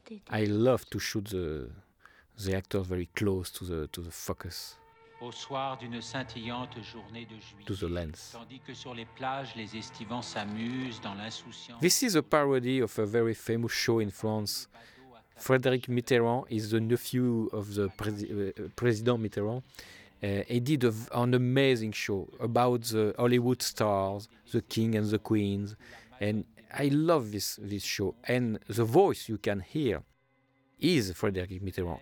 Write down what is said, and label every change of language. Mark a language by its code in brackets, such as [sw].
[en] I love to shoot the actors very close to the focus. [fr] Au soir d'une scintillante journée de juillet, [en] to the lens. [fr] Tandis que sur les plages, les estivants s'amusent dans l'insouciance. [en] This is a parody of a very famous show in France. Frédéric Mitterrand is the nephew of the President Mitterrand. He did an amazing show about the Hollywood stars, the king and the queens. And I love this show. And the voice you can hear is Frédéric Mitterrand.